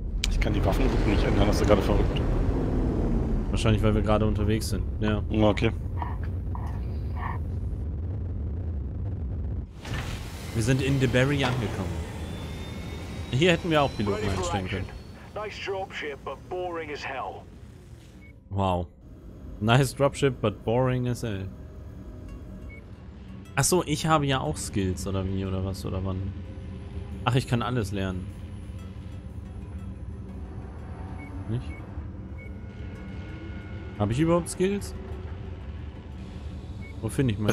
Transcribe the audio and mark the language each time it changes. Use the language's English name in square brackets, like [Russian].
[German] Ich kann die Waffen nicht ändern, das ist gerade verrückt. Wahrscheinlich, weil wir gerade unterwegs sind. Ja. Okay. Wir sind in DeBerry angekommen. Hier hätten wir auch Piloten einstellen können. [English] Nice Dropship, but boring as hell. Wow. Nice Dropship, but boring as hell. [German] Achso, ich habe ja auch Skills, oder wie, oder was, oder wann. Ach, ich kann alles lernen. Nicht? Habe ich überhaupt Skills? Wo finde ich meine